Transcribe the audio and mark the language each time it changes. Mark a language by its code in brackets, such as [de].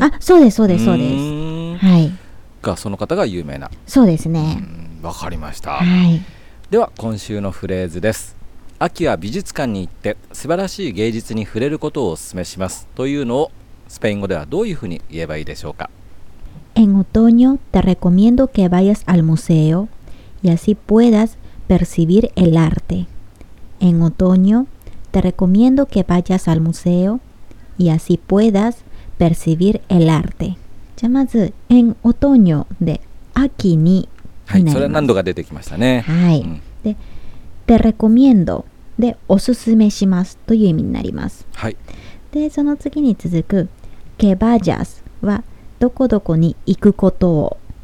[ja] あ、そうですそうですそうです。はい、がその方が有名な。そうですね。わかりました。はい、では今週のフレーズです。秋は美術館に行って素晴らしい芸術に触れることをお勧めしますというのをスペイン語ではどういうふうに言えばいいでしょうか？ [es] En otoño te recomiendo que vayas al museoy así puedas percibir el arte. En otoño, te recomiendo que vayas al museo y así puedas percibir el arte. [ja] じゃあまず、 [es] en otoño [ja] で秋にになります。はい、それは何度か出てきましたね。はい。うん、で、 [es] te recomiendo [ja] でおすすめしますという意味になります。はい。で、その次に続く、 [es] que vayas [ja] はどこどこに行くことを。